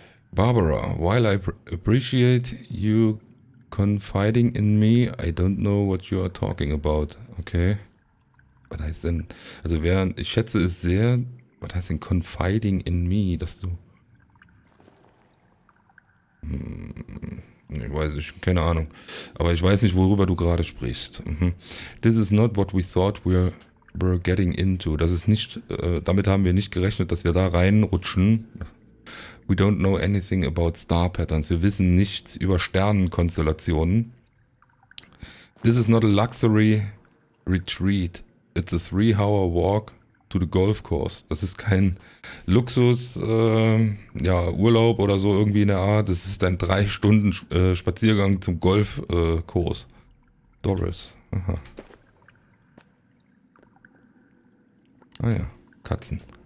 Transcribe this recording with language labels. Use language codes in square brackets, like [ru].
[en] Barbara, while I appreciate you confiding in me, I don't know what you are talking about. [de] Okay. Was heißt denn? Also während, ich schätze es sehr, was heißt denn [en] confiding in me, [de] dass du... Ich weiß nicht, keine Ahnung. Aber ich weiß nicht, worüber du gerade sprichst. Mhm. [en] This is not what we thought we were getting into. [de] Das ist nicht, damit haben wir nicht gerechnet, dass wir da reinrutschen. [en] We don't know anything about star patterns. [de] Wir wissen nichts über Sternenkonstellationen. [en] This is not a luxury retreat. It's a 3-hour walk to the golf course. [de] Das ist kein Luxus, ja, Urlaub oder so irgendwie in der Art. Das ist ein 3-Stunden Spaziergang zum Golfkurs. Doris. Aha. Ah ja, Katzen.